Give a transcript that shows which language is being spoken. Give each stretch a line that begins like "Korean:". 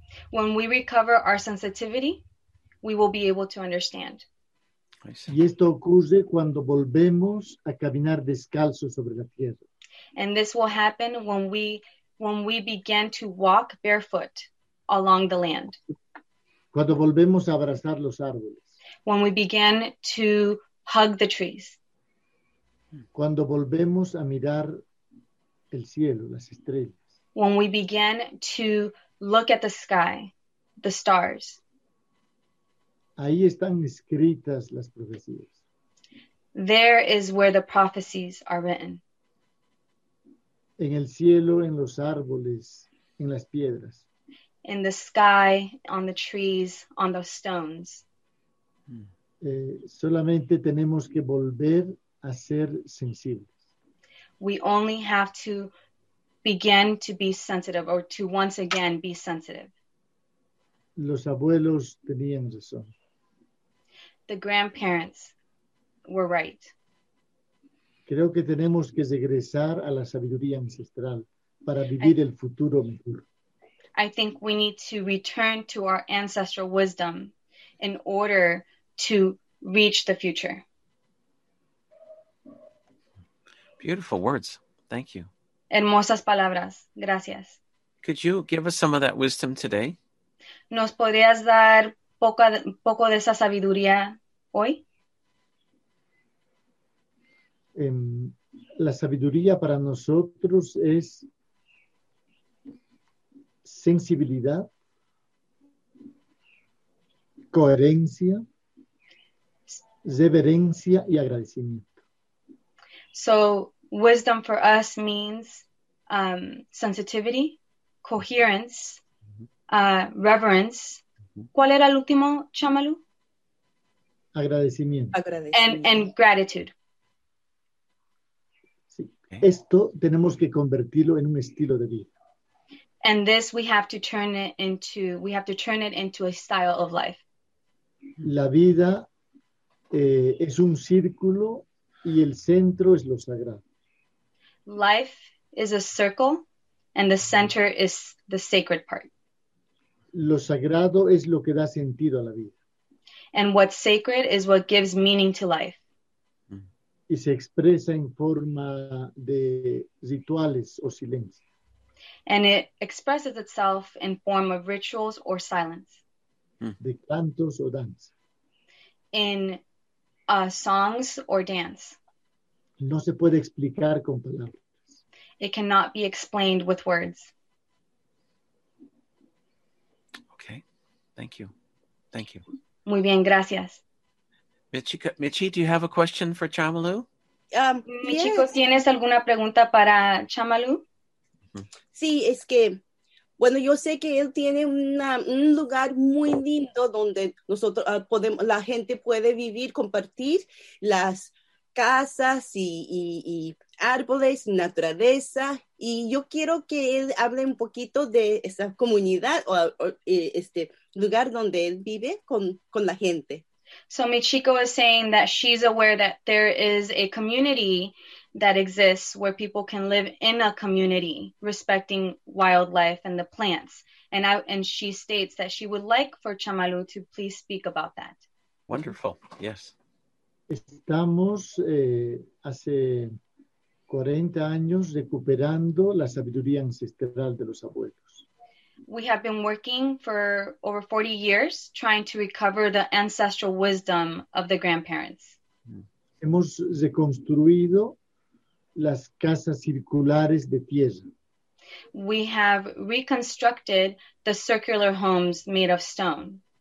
English: When we recover our sensitivity, we will be able to understand.
Spanish: Y esto ocurre cuando volvemos a caminar descalzo sobre la tierra.
English: And this will happen when we begin to walk barefoot along the land.
Spanish: Cuando volvemos a abrazar los árboles.
English: When we begin to hug the trees.
Spanish: Cuando volvemos a mirar el cielo, las estrellas.
English: When we begin to look at the sky, the stars.
Spanish: Ahí están escritas las profecías.
English: There is where the prophecies are written.
Spanish: En el cielo, en los árboles, en las piedras.
English: In the sky, on the trees, on the stones.
Spanish: Solamente tenemos que volver a ser sensibles.
English: We only have to begin to be sensitive or to once again be sensitive.
Spanish: Los abuelos tenían razón.
English: The grandparents were right.
Spanish: Creo que tenemos que regresar a la sabiduría ancestral para vivir el futuro mejor.
English: I think we need to return to our ancestral wisdom in order to reach the future. Beautiful words. Thank you.
Spanish: Hermosas palabras. Gracias.
English: Could you give us some of that wisdom today?
Spanish: ¿Nos podrías dar poco de esa sabiduría hoy? La sabiduría para nosotros es sensibilidad, coherencia, reverencia y agradecimiento.
English: So, wisdom for us means sensitivity, coherence, reverence.
Spanish: ¿Cuál era el último, Chamalu? Agradecimiento.
English: And gratitude.
Spanish: Sí. Okay. Esto tenemos que convertirlo en un estilo de vida.
English: And this we have to turn it into a style of life.
Spanish: La vida es un círculo y el centro es lo sagrado.
English: Life is a circle and the center is the sacred part.
Spanish: Lo sagrado es lo que da sentido a la vida.
English: And what's sacred is what gives meaning to life.
Spanish: Y se expresa en forma de rituales o silencio.
English: And it expresses itself in form of rituals or silence.
Spanish: De cantos o danza.
English: In songs or dance.
Spanish: No se puede explicar con palabras.
English: It cannot be explained with words. Okay. Thank you. Thank you.
Spanish: Muy bien, gracias.
English: Michi, do you have a question for Chamalu?
Spanish: Michiko, yes. ¿Tienes alguna pregunta para Chamalu? Sí, es que, bueno, yo sé que él tiene un lugar muy lindo donde nosotros podemos, la gente puede vivir, compartir las casas y árboles, naturaleza, y yo quiero que él hable un poquito de esa comunidad o este lugar donde él vive con la gente.
English: So Michiko is saying that she's aware that there is a community that exists where people can live in a community respecting wildlife and the plants. And she states that she would like for Chamalu to please speak about that. Wonderful. Yes.
Spanish: Estamos hace 40 años recuperando la sabiduría ancestral de los abuelos.
English: We have been working for over 40 years trying to recover the ancestral wisdom of the grandparents.
Spanish: Hemos reconstruido las casas circulares de tierra.
English: We have reconstructed the circular homes made of stone.